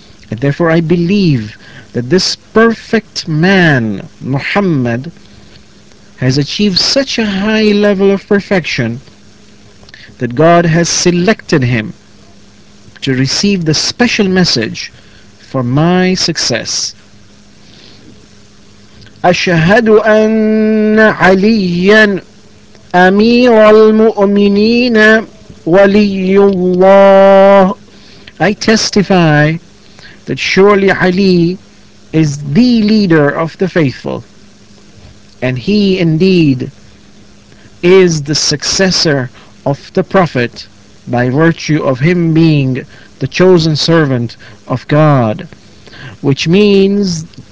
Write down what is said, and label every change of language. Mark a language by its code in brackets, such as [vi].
[en] And therefore I believe that this perfect man, Muhammad, has achieved such a high level of perfection that God has selected him to receive the special message for my success. [ar] أشهد أن عليا أمير المؤمنين ولي الله. [en] I testify that surely Ali is the leader of the faithful, and he indeed is the successor of the Prophet by virtue of him being the chosen servant of God, which means